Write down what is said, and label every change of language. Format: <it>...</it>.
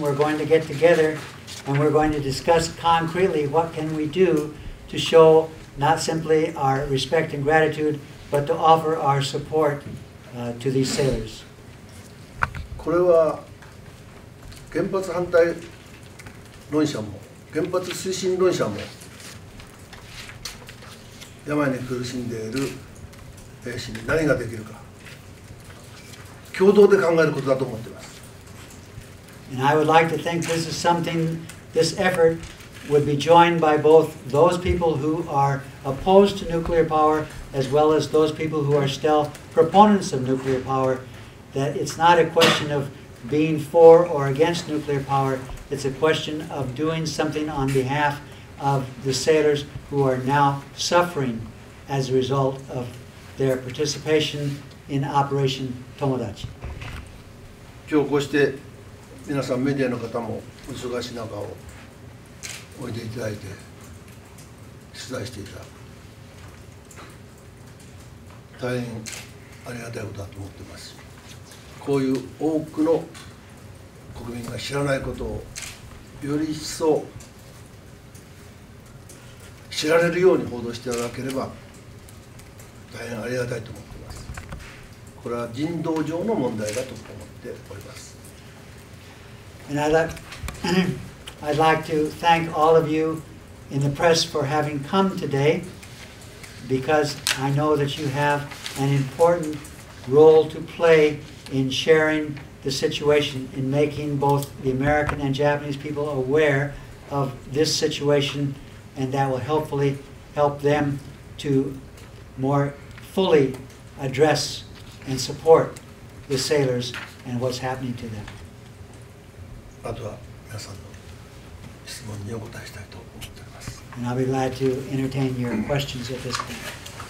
<en>We're going to get together and we're going to discuss concretely what can we do to show not simply our respect and gratitude, but to offer our support to these sailors.</en> <ja>これは原発反対論者も原発推進論者も病に苦しんでいる兵士に何ができるか共同で考えることだと思っています。</ja> <en>And I would like to think this is something, this effort would be joined by both those people who are opposed to nuclear power as well as those people who are still proponents of nuclear power, that it's not a question of being for or against nuclear power, it's a question of doing something on behalf of the sailors who are now suffering as a result of their participation in Operation Tomadachi.</en> <ja>今日こうして皆さんメディアの方も忙しい中をおいでいただいて取材していた、大変ありがたいことだと思っています。こういう多くの国民が知らないことをより一層知られるように報道していただければ大変ありがたいと思っています。これは人道上の問題だと思っております。</ja> <en>I'd like to thank all of you in the press for having come today, because I know that you have an important role to play in sharing the situation, in making both the American and Japanese people aware of this situation, and that will hopefully help them to more fully address and support the sailors and what's happening to them.</en> <ja>あとは皆さんの質問にお答えしたいと思っております。</ja> <en>And I'll be glad to entertain your questions at this point.</en>